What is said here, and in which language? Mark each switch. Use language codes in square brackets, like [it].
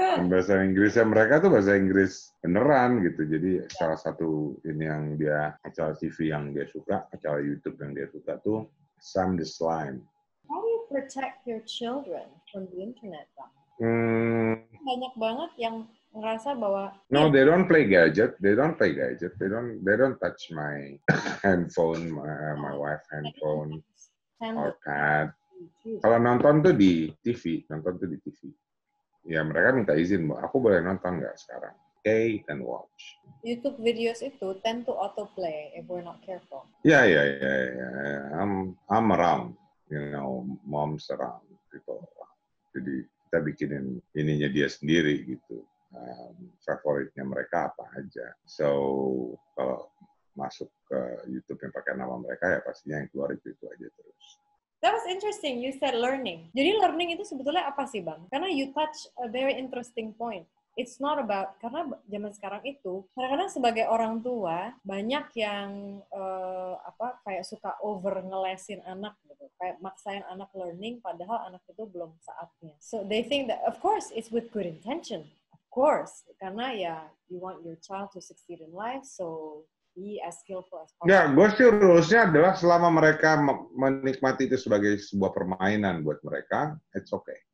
[id] Bahasa Inggrisnya mereka tuh bahasa Inggris beneran gitu. Jadi salah satu ini yang dia, acara TV yang dia suka, acara YouTube yang dia suka tuh, Sam the Slime. [en] How do you protect your children from the internet, Bang? [id] Banyak banget yang ngerasa bahwa... [en] No, they don't play gadget. They don't touch my handphone, my wife handphone. Or pad. [id] Kalau nonton tuh di TV, ya mereka minta izin, aku boleh nonton nggak sekarang? [en] Okay, and watch. YouTube videos itu tend to autoplay if we're not careful. Yeah. I'm around, you know, mom's around, people. [id] Jadi kita bikinin ininya dia sendiri gitu. Favoritnya mereka apa aja. [en] So [id] kalau masuk ke YouTube yang pakai nama mereka, ya pastinya yang keluar itu aja terus. [en] That was interesting. You said learning. [id] Jadi learning itu sebetulnya apa sih, Bang? Karena [en] you touch a very interesting point. It's not about, [id] karena zaman sekarang itu, kadang-kadang sebagai orang tua, banyak yang kayak suka over ngelesin anak gitu. Kayak maksain anak learning, padahal anak itu belum saatnya. [en] So they think that, of course, it's with good intention. Of course. [id] Karena ya, [en] you want your child to succeed in life, so... [id] Gue sih rulesnya adalah selama mereka menikmati itu sebagai sebuah permainan buat mereka, [en] it's okay.